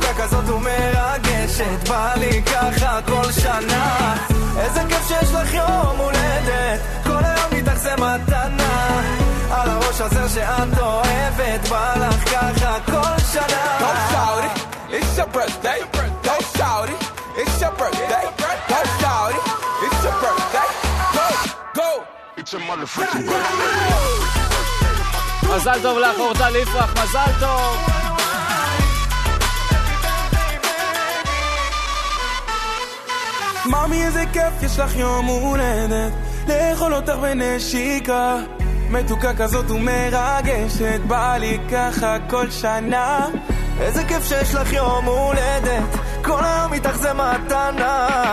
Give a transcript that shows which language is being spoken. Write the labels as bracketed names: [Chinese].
[Hebrew] זאת ומרגשת בא לי ככה כל שנה איזה כיף שיש לך יום הולדת כל היום איתך זה מתנה על הראש הזה שאת אוהבת בא לך ככה כל שנה [English] Don't shout it, it's your birthday Don't shout it, it's your birthday Don't shout it, it's your birthday Go, go It's your motherfucking birthday [Hebrew] מזל טוב לך אורטל יפרח מזל טוב מאמי איזה כיף יש לך יום הולדת לאכול אותך בנשיקה מתוקה כזאת ומרגשת בא לי ככה כל שנה איזה כיף שיש לך יום הולדת כל היום איתך זה מתנה